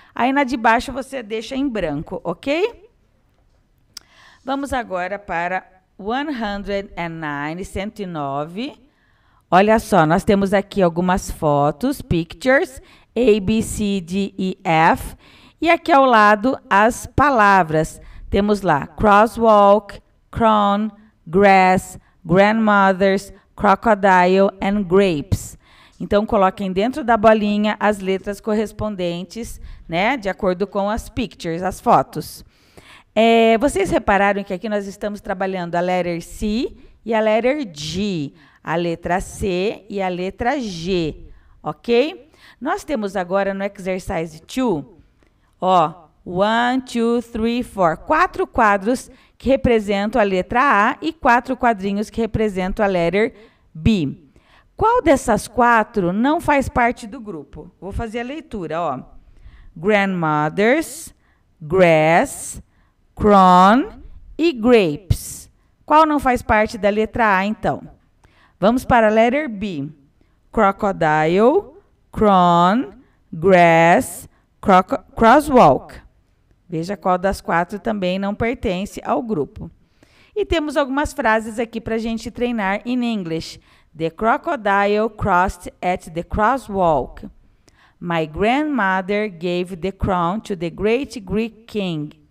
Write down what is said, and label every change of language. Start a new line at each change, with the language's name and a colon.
Portuguese: Aí na de baixo você deixa em branco, ok? Vamos agora para 109, 109. Olha só, nós temos aqui algumas fotos, pictures, A, B, C, D, E, F. E aqui ao lado as palavras. Temos lá
English: crosswalk, crown, grass, grandmothers, crocodile and grapes.
Portuguese: Então coloquem dentro da bolinha as letras correspondentes, né, de acordo com as pictures, as fotos. Vocês repararam que aqui nós estamos trabalhando a letter C e a letter G, a letra C e a letra G, ok? Nós temos agora no exercise 2, ó, 1, 2, 3, 4, quatro quadros que representam a letra A e quatro quadrinhos que representam a letter B. Qual dessas quatro não faz parte do grupo? Vou fazer a leitura, ó.
English: Grandmothers, grass, crown e grapes.
Portuguese: Qual não faz parte da letra A, então? Vamos para a letter B.
English: Crocodile, crown, grass, crosswalk.
Portuguese: Veja qual das quatro também não pertence ao grupo. E temos algumas frases aqui para a gente treinar em English.
English: The crocodile crossed at the crosswalk. My grandmother gave the crown to the great Greek king.